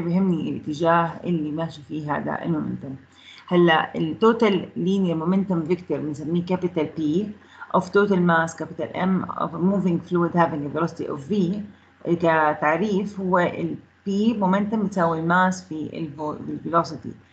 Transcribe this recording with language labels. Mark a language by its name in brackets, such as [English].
[Arabic] بهمني الاتجاه اللي ماشي فيه هذا المومنتم. هلأ التوتال لينير مومنتم فيكتور بنسميه كابيتال بي [English] of total mass capital M of a moving fluid having a velocity of V. [Arabic] كتعريف، هو ال P مومنتم بتساوي الماس في ال velocity.